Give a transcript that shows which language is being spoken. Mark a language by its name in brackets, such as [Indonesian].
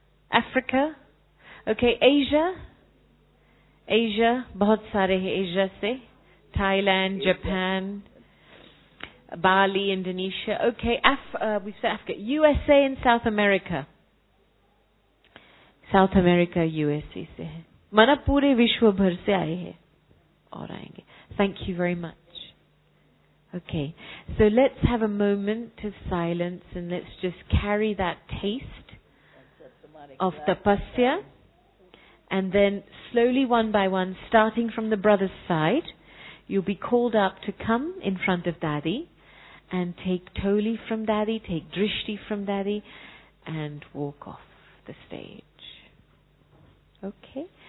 [English] Africa? Okay, Asia? Asia, [Hindi] bahut sare hai Asia se. [English] Thailand, Japan, Bali, Indonesia. Okay, we said Africa. USA and South America. [Hindi] South America, USA से है. मतलब पूरे विश्व भर से आए हैं और आएंगे. [English] Thank you very much. Okay, so let's have a moment of silence and let's just carry that taste of tapasya, and then slowly, one by one, starting from the brother's side, you'll be called up to come in front of Daddy and take toli from Daddy, take drishti from Daddy, and walk off the stage. Okay.